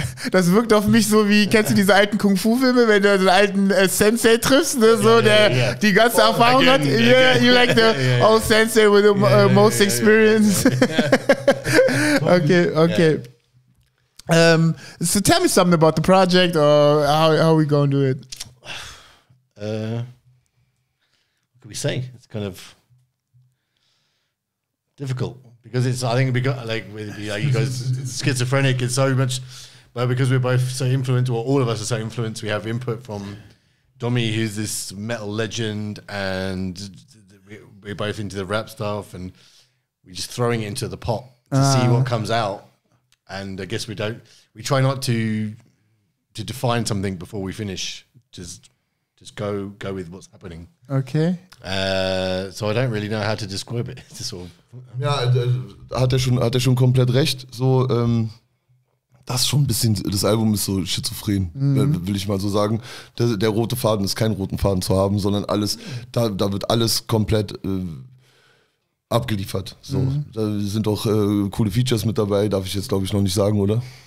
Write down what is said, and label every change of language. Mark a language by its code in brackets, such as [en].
[de] das wirkt auf mich so wie, kennst du diese alten Kung-Fu-Filme, wenn du den alten Sensei triffst, ne, so, der die ganze Erfahrung hat? [en] You like the old Sensei with the most experience. Okay. So tell me something about the project or how we going to do it. What can we say? It's kind of difficult. Because it's, I think, because, like, with you guys, it's schizophrenic, it's so much, but because we're both so influenced, well, all of us are so influenced, we have input from Domi, who's this metal legend, and we're both into the rap stuff, and we're just throwing it into the pot to see what comes out. And I guess we try not to define something before we finish, just go with what's happening. Okay. So I don't really know how to describe it. It's sort of, [de] ja, hat er schon komplett recht. So, das ist schon ein bisschen, das Album ist so schizophren, will ich mal so sagen. Der rote Faden ist kein roten Faden zu haben, sondern alles, da wird alles komplett abgeliefert. So. Mhm. Da sind auch coole Features mit dabei, darf ich jetzt glaube ich noch nicht sagen, oder?